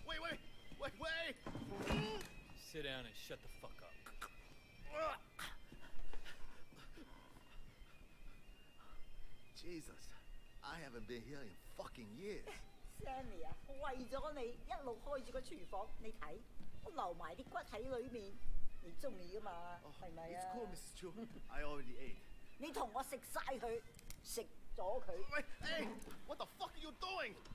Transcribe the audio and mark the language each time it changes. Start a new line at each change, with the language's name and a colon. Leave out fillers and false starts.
English: Sit down and shut the fuck up. Jesus, I haven't been here in fucking years.
Cantonese: Sammy, 为咗你一路开住个厨房，你睇我留埋啲骨喺里面，你中意噶嘛？系咪啊？
English: It's cool, Mrs. Chu. I already ate.
Cantonese: 你同我食晒佢，食咗佢。
English: Hey, what the fuck are you doing?